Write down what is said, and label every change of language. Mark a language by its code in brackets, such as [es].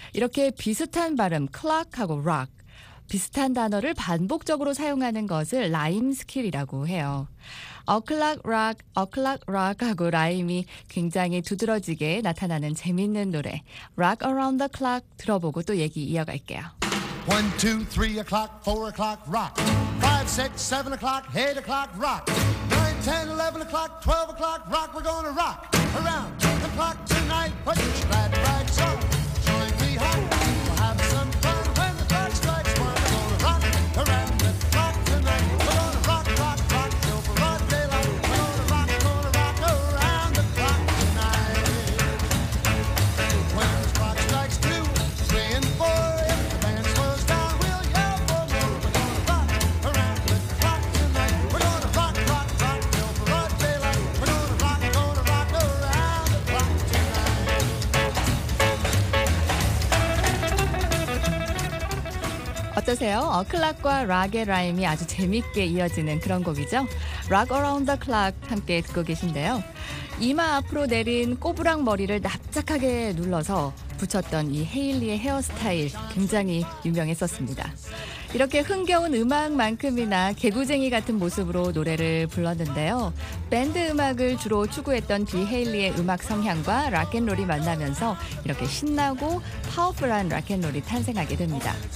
[ko] 이렇게 비슷한 발음, clock하고 rock, 비슷한 단어를 반복적으로 사용하는 것을 rhyme skill이라고 해요. o'clock rock, o'clock rock하고 rhyme이 굉장히 두드러지게 나타나는 재밌는 노래, rock around the clock 들어보고 또 얘기 이어갈게요. [en] 1, 2, 3 o'clock, 4 o'clock, rock 5, 6, 7 o'clock, 8 o'clock, rock 10, 11 o'clock, 12 o'clock, rock, we're gonna rock around the clock tonight. Put your glad rags on, join me, hon. We'll have some fun when the clock strikes one. We're gonna rock around the clock tonight. We're gonna rock, rock, rock till broad daylight. We're gonna rock around the clock tonight. When the clock strikes two, three, and four, if the band slows down, we'll yell for more. We're gonna rock around the clock tonight. We're gonna rock, rock, rock till broad daylight. We're gonna rock around the clock tonight. [ko] 어떠세요? 클락과 락의 라임이 아주 재밌게 이어지는 그런 곡이죠? Rock Around the Clock 함께 듣고 계신데요. 이마 앞으로 내린 꼬부랑 머리를 납작하게 눌러서 붙였던 이 헤일리의 헤어스타일 굉장히 유명했었습니다. 이렇게 흥겨운 음악만큼이나 개구쟁이 같은 모습으로 노래를 불렀는데요. 밴드 음악을 주로 추구했던 비 헤일리의 음악 성향과 락앤롤이 만나면서 이렇게 신나고 파워풀한 락앤롤이 탄생하게 됩니다.